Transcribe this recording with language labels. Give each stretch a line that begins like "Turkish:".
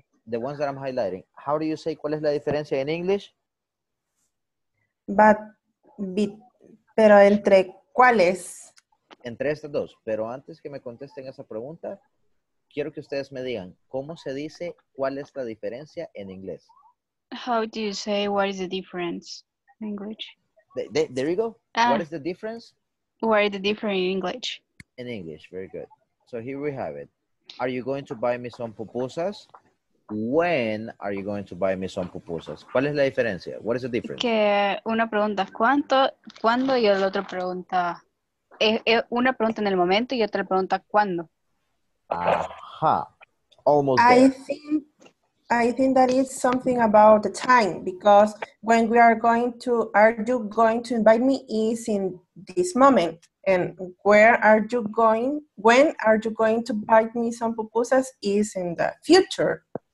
English: The ones that I'm highlighting. How do you say
Spanish: cuál es la diferencia
English: in English?
Spanish: Pero entre cuáles? Entre estas dos. Pero antes que me contesten esa pregunta, quiero que ustedes me digan cómo se dice cuál es la diferencia en inglés.
English: How do you say what is the difference in English? There you go. What is the difference? What is the difference in English? In English, very good. So here we have it. Are you going to buy me some pupusas? When are you going to buy me some pupusas?
Spanish: ¿Cuál es la diferencia?
English: What is the difference?
Spanish: Que una pregunta es cuánto, cuándo, y la otra pregunta es una pregunta en el momento y otra pregunta cuándo.
English: Ajá. Almost there. I think that is something about the time, because when we are going to, are you going to invite me, is in this moment. And where are you going, when are you going to buy me some pupusas, is in the future.